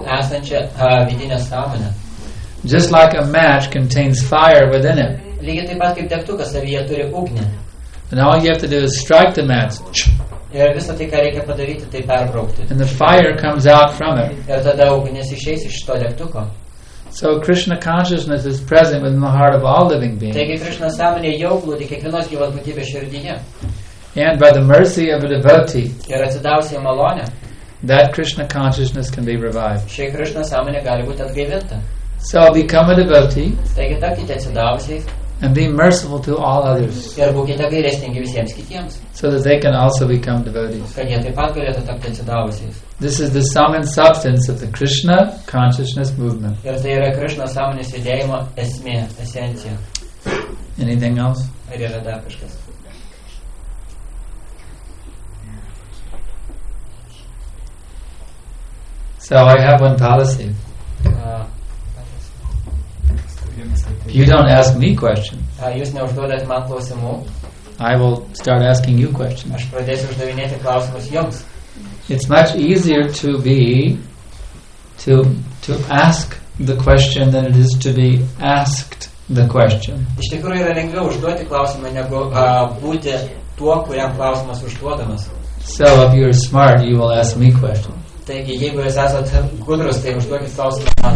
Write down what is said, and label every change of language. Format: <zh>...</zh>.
<en>Just like a match contains fire within it. And all you have to do is strike the match.</en> <lt>Ir visą tai, ką reikia padaryti, tai perbraukti.</lt> <en>And the fire comes out from it.</en> <lt>Ir tada ugnis išeis iš to lėktuko.</lt> <en>So Krishna consciousness is present within the heart of all living beings.</en> <lt>Taigi Krishna sąmonė jau glūdi kiekvienos gyvos būtybės širdyje.</lt> <en>And by the mercy of a devotee,</en> <lt>ir atsidavusia malonė,</lt> <en>that Krishna consciousness can be revived.</en> <lt>Šiai Krishna sąmonė gali būti atgaivinta.</lt> <en>So become a devotee.</en> <lt>Taigi tapkite atsidavusiai.</lt> <en>And be merciful to all others.</en> <lt>Ir būkite gailestingi visiems kitiems.</lt> <en>So that they can also become devotees.</en> <lt>Kad jie taip pat galėtų tapti atsidavusiais.</lt> <en>This is the sum and substance of the Krishna consciousness movement.</en> <lt>Ir tai yra Krishna sąmonės judėjimo esmė, esencija.</lt> <en>Anything else?</en> <lt>Ar yra dar kažkas?</lt> <en>So I have one policy. You don't ask me questions.</en> <lt>Jūs neužduodat man klausimų.</lt> <en>I will start asking you questions.</en> <lt>Aš pradėsiu uždavinėti klausimus jums.</lt> <en>It's much easier to be to ask the question than it is to be asked the question.</en> <lt>Iš tikrųjų yra lengviau užduoti klausimą negu būti tuo, kuriam klausimas užduodamas.</lt> <en>So if you're smart, you will ask me questions.</en> <lt>Taigi, jeigu jūs esat gudrus, tai užduokit klausimą man.</lt>